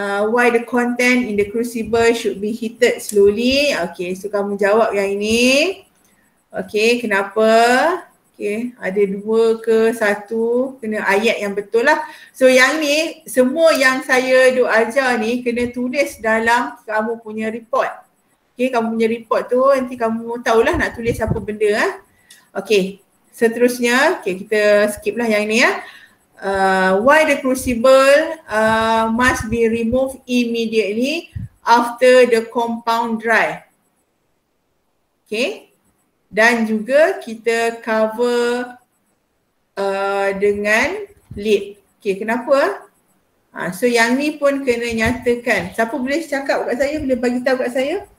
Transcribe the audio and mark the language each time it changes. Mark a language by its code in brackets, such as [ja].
[en] Why the content in the crucible should be heated slowly? [ms] Okay, so kamu jawab yang ini. Okay, kenapa? Okay, ada dua ke satu? Kena ayat yang betul lah. So yang ni, semua yang saya duk ajar ni kena tulis dalam kamu punya report. Okay, kamu punya report tu nanti kamu tahulah nak tulis apa benda lah. Okay, seterusnya. Okay, kita skip lah yang ni lah. [en] Why the crucible must be removed immediately after the compound dry? Okay. [ms] Dan juga kita cover dengan lid. Okay, kenapa? So yang ni pun kena nyatakan. Siapa boleh cakap kat saya? Boleh bagi tahu kat saya?